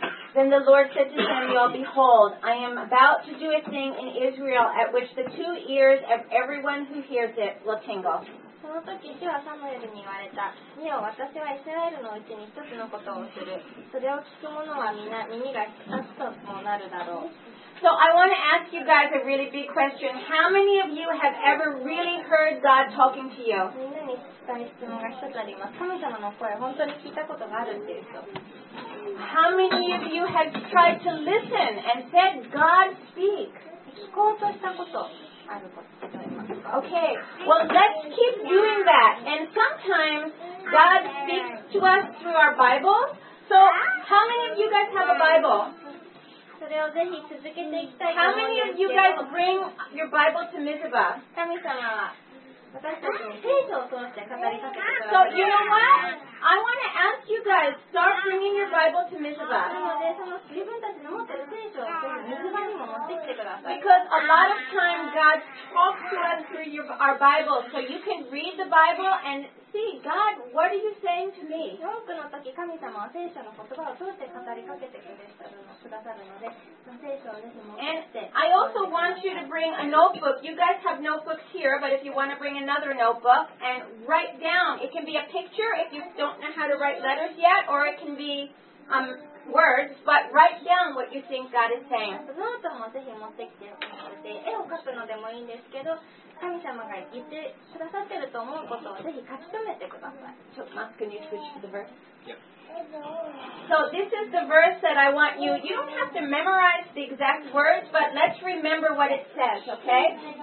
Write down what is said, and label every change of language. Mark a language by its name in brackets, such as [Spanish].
[English] Then the Lord said to Samuel, "Behold, I am about to do a thing in Israel at which the two ears of everyone who hears it will tingle." [Japanese] その時、主はサムエルに言われた。見よ、私はイスラエルのうちに一つのことをする。それを聞く者はみんな耳が聞くともなるだろう。 [English] So I want to ask you guys a really big question. How many of you have ever really heard God talking to you? How many of you have tried to listen and said, "God, speak"? Okay, well, let's keep doing that. And sometimes God speaks to us through our Bible. So how many of you guys have a Bible? [Japanese] それをぜひ続けていきたいと思うんですけど。 [English] How many of you guys bring your Bible to Mizpah? [Japanese] 神様は私たちに聖書を通して語りかけてください [English] 。 So you know what? I want to ask you guys, start bringing your Bible to Mizpah. [Japanese] なので、その自分たちの持ってる聖書をMizpahにも持ってきてください。 [English] Because a lot of times God talks to us through our Bible, so you can read the Bible and see, God, what are you saying to me? [Japanese] 多くの時、神様は聖書の言葉を通して語りかけてくれる。 [English] And I also want you to bring a notebook. You guys have notebooks here, but if you want to bring another notebook and write down, it can be a picture if you don't know how to write letters yet, or it can be words, but write down what you think God is saying. [Japanese] ノートもぜひ持ってきてください。絵を描くのでもいいんですけど、神様が言ってくださってると思うことをぜひ書き留めてください。 [English] So, Mark, can you switch to the verse? Yep. So, this is the verse that I want you... You don't have to memorize the exact words, but let's remember what it says, okay?